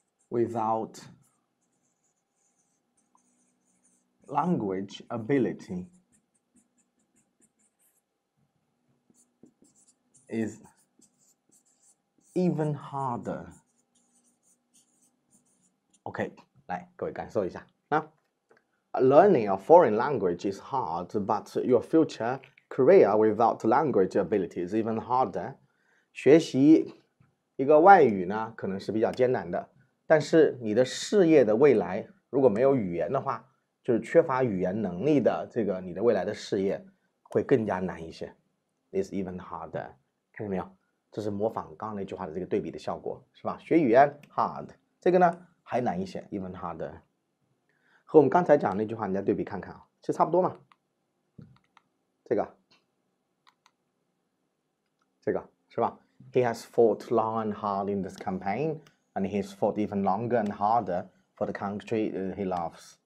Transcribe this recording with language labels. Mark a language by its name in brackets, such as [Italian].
[English] without language ability is even harder. [Chinese] OK, 来各位感受一下。 [English] Learning a foreign language is hard, but your future career without language ability is even harder. [Chinese] 学习一个外语呢可能是比较艰难的，但是你的事业的未来如果没有语言的话，就是缺乏语言能力的这个你的未来的事业会更加难一些。 [English] It's even harder. [Chinese] 看见没有？这是模仿刚刚那句话的这个对比的效果，是吧？学语言 [English] hard， [Chinese] 这个呢还难一些 ， [English] even harder。 [Chinese] 和我们刚才讲的那句话，你再对比看看啊，其实差不多嘛。这个是吧 [English] ？He has fought long and hard in this campaign, and he's fought even longer and harder for the country he loves。